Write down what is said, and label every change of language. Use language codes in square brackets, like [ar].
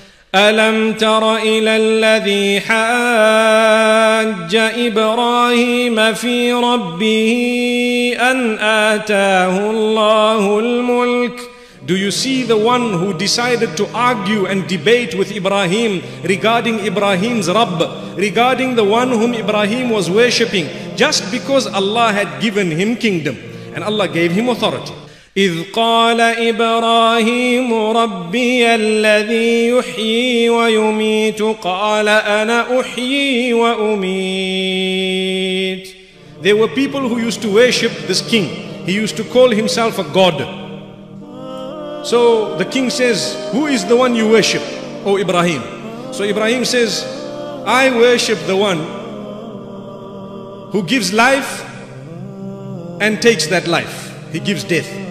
[ar] أَلَمْ تَرَ إِلَى الَّذِي حَاجَّ إِبْرَاهِيمَ فِي رَبِّهِ أَنْ آتَاهُ اللَّهُ الْمُلْكِ. [en] Do you see the one who decided to argue and debate with Ibrahim regarding Ibrahim's Rabb, regarding the one whom Ibrahim was worshipping, just because Allah had given him kingdom and Allah gave him authority? [ar] إذ قال إبراهيم ربي الذي يحيي ويميت قال أنا أحيي وأميت. [en] There were people who used to worship this king. He used to call himself a god. So the king says, who is the one you worship, O Ibrahim? So Ibrahim says, I worship the one who gives life and takes that life. He gives death.